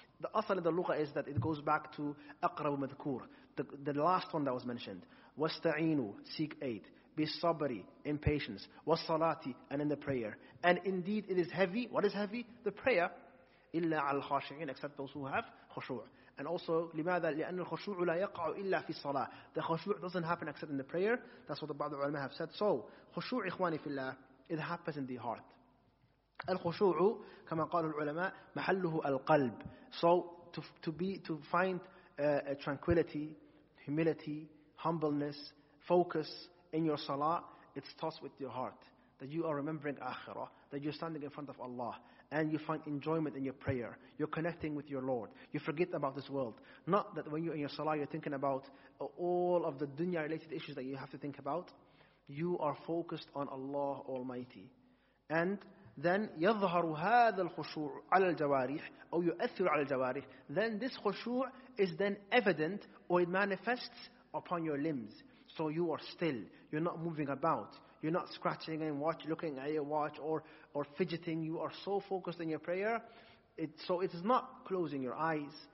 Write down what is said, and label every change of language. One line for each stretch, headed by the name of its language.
English: The asal in the lugha is that it goes back to
Arabic: aqrab madhkur,
English: the last one that was mentioned.
Arabic: Wasta'inu,
English: seek aid.
Arabic: Bisabri,
English: in patience.
Arabic: Wasalati,
English: and in the prayer. And indeed it is heavy. What is heavy? The prayer.
Arabic: Illa al-khashi'in,
English: except those who have khushu'. And also,
Arabic: لماذا؟ لأن الخشوع لا يقع إلا في الصلاة.
English: The خشوع doesn't happen except in the prayer. That's what the
Arabic: بعض العلماء
English: have said. So,
Arabic: خشوع إخواني في الله,
English: it happens in the heart.
Arabic: الخشوع, كما قال العلماء, محله القلب.
English: So, to find tranquility, humility, humbleness, focus in your salah, it starts with your heart. That you are remembering akhirah, that you're standing in front of Allah, and you find enjoyment in your prayer, you're connecting with your Lord, you forget about this world. Not that when you're in your salah, you're thinking about all of the dunya related issues that you have to think about. You are focused on Allah Almighty. And then
Arabic: يظهر هذا الخشوع على الجوارح أو يؤثر على الجوارح.
English: Then this خشوع is then evident or it manifests upon your limbs. So you are still. You're not moving about. You're not scratching and watch, looking at your watch or fidgeting. You are so focused in your prayer. So it is not closing your eyes.